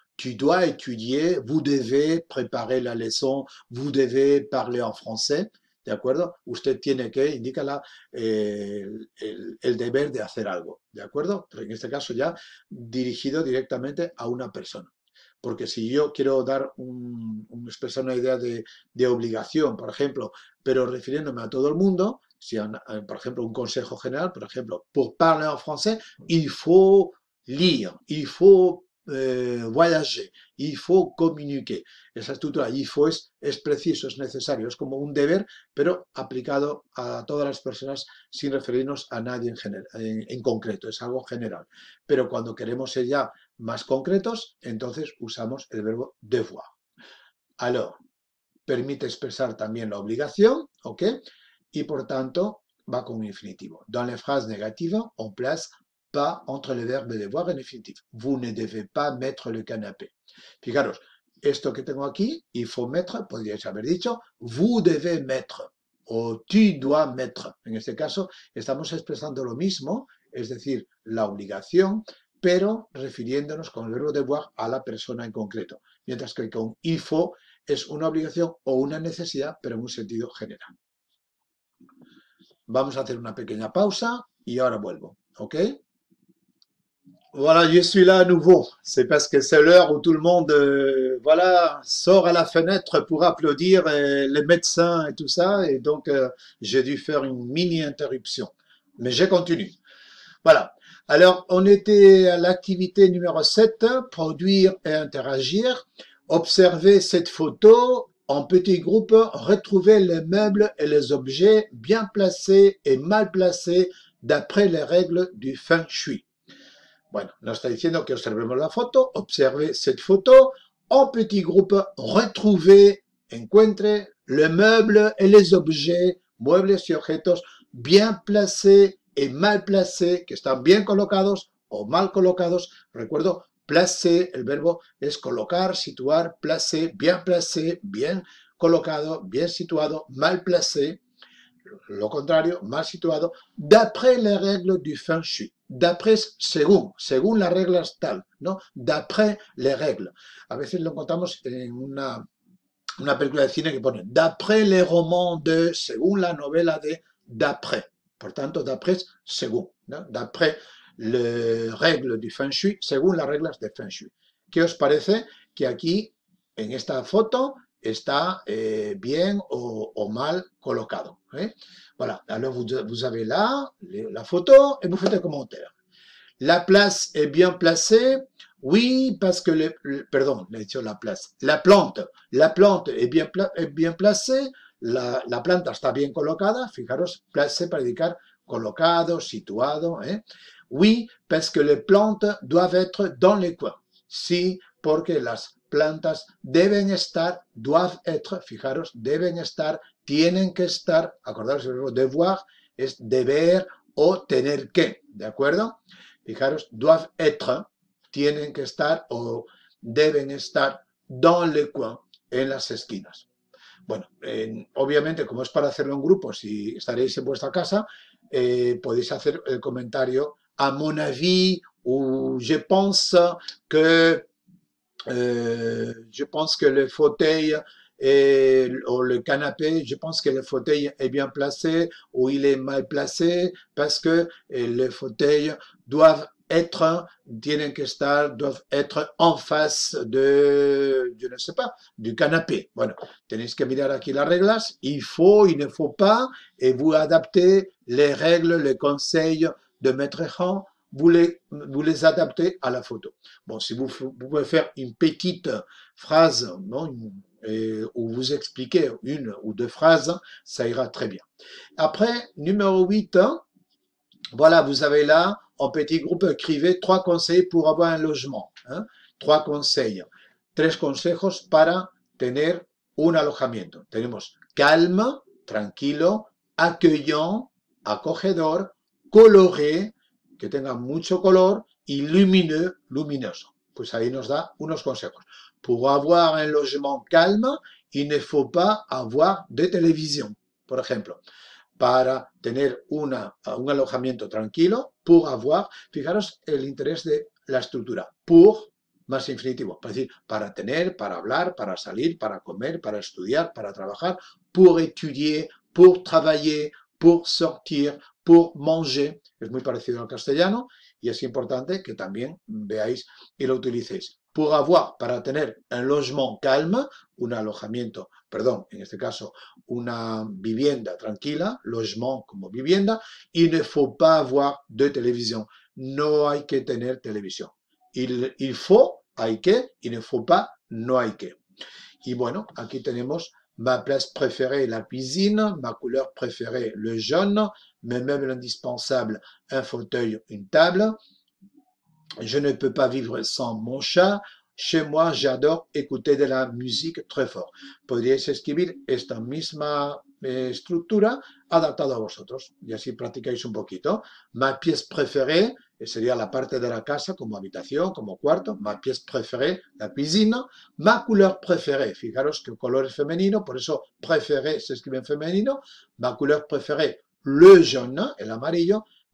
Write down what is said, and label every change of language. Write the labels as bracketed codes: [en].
[fr] Tu dois étudier, vous devez préparer la leçon, vous devez parler en français. [es] ¿De acuerdo? Usted tiene que, indica el deber de hacer algo. ¿De acuerdo? Pero en este caso ya dirigido directamente a una persona. Porque si yo quiero dar un expresar una idea de obligación, por ejemplo, pero refiriéndome a todo el mundo, si por ejemplo, un consejo general, por ejemplo, [fr] pour parler en français, il faut lire, il faut voyager, il faut communiquer. [es] Esa estructura, il faut, es preciso, es necesario, es como un deber, pero aplicado a todas las personas sin referirnos a nadie en concreto, es algo general. Pero cuando queremos ser ya más concretos, entonces usamos el verbo devoir. Alors, permite expresar también la obligación, ¿ok? Y por tanto, va con infinitivo. [fr] Dans les phrases négatives, on place pas entre le verbe devoir et l'infinitif. Vous ne devez pas mettre le canapé. [es] Fijaros, esto que tengo aquí, il faut mettre, podríais haber dicho, [fr] vous devez mettre [es] o [fr] tu dois mettre. [es] En este caso, estamos expresando lo mismo, es decir, la obligación, pero refiriéndonos con el verbo devoir a la persona en concreto. Mientras que con il faut es una obligación o una necesidad, pero en un sentido general. Vamos a hacer una pequeña pausa y ahora vuelvo. ¿Ok? [fr] Voilà, je suis là à nouveau. C'est parce que c'est l'heure où tout le monde voilà, sort à la fenêtre pour applaudir les médecins et tout ça. Et donc, j'ai dû faire une mini-interruption. Mais je continue. Voilà. Alors, on était à l'activité numéro 7, produire et interagir. Observez cette photo en petits groupes. Retrouvez les meubles et les objets bien placés et mal placés d'après les règles du feng shui. [es] Bueno, nos está diciendo que observemos la foto, [fr] observe cette photo, en petit groupe, retrouvez, [es] encuentre, [fr] le meuble et les objets, [es] muebles y objetos, [fr] bien placés [es] y mal placés, que están bien colocados o mal colocados. Recuerdo, placer, el verbo es colocar, situar, placé, bien colocado, bien situado, mal placé. Lo contrario, mal situado, [fr] d'après les règles du feng shui. [es] D'après, según, según las reglas tal, ¿no? [fr] D'après les règles. [es] A veces lo encontramos en una película de cine que pone [fr] d'après les romans de, [es] según la novela de, d'après. Por tanto, d'après, según, ¿no? [fr] D'après les règles du feng shui, [es] según las reglas de feng shui. ¿Qué os parece que aquí, en esta foto, está bien o mal colocado? [fr] Voilà, alors vous avez là la photo et vous faites un commentaire. La place est bien placée. Oui, parce que la plante est bien placée. [es] La planta está bien colocada. Fijaros, placé para indicar colocado, situado. [fr] Oui, parce que les plantes doivent être dans les coins. [es] Sí, porque las plantas deben estar, [fr] doivent être, [es] fijaros, deben estar. Tienen que estar, acordaros el verbo devoir, es deber o tener que, ¿de acuerdo? Fijaros, [fr] doivent être, [es] tienen que estar o deben estar [fr] dans le coin, [es] en las esquinas. Bueno, obviamente, como es para hacerlo en grupo, si estaréis en vuestra casa, podéis hacer el comentario [fr] a mon avis, ou je pense que, je pense que le fauteuil. Ou le canapé, je pense que le fauteuil est bien placé ou il est mal placé parce que les fauteuils doivent être en face de, je ne sais pas, du canapé. Voilà, [es] tenez que mirar aquí las reglas, [fr] il ne faut pas, et vous adaptez les règles, les conseils de maître Jean vous les adaptez à la photo. Bon, si vous pouvez faire une petite phrase, non, où vous expliquez une ou deux phrases, ça ira très bien. Après, numéro 8, voilà, vous avez là, en petit groupe, écrivez trois conseils pour avoir un logement. Hein? Trois conseils. [es] Tres consejos para tener un alojamiento. Tenemos calme, tranquilo, accueillant, acogedor, coloré, que tenga mucho color, y lumineux, luminoso. Pues ahí nos da unos consejos. [fr] Pour avoir un logement calme, il ne faut pas avoir de télévision, [es] por ejemplo. Para tener un alojamiento tranquilo, pour avoir, fijaros el interés de la estructura, pour, más infinitivo, es decir, para tener, para hablar, para salir, para comer, para estudiar, para trabajar, [fr] pour étudier, pour travailler, pour sortir, pour manger, [es] es muy parecido al castellano y es importante que también veáis y lo utilicéis. Pour avoir, para tener [fr] un logement calme, [es] un alojamiento, perdón, en este caso, una vivienda tranquila, logement como vivienda, [fr] il ne faut pas avoir de télévision. [es] No hay que tener televisión. Il faut, hay que, il ne faut pas, no hay que. Y bueno, aquí tenemos [fr] ma place préférée, la cuisine, ma couleur préférée, le jaune, mes meubles indispensables, un fauteuil, une table. Je ne peux pas vivre sans mon chat. Chez moi, j'adore écouter de la musique très fort. [es] Podríais escribir esta misma estructura adaptada a vosotros. Y así practicáis un poquito. [fr] Ma pièce préférée, [es] sería la parte de la casa, como habitación, como cuarto. [fr] Ma pièce préférée, la cuisine. Ma couleur préférée, [es] fijaros que color es femenino, por eso préféré se escribe en femenino. [fr] Ma couleur préférée, le jaune, [es] el amarillo.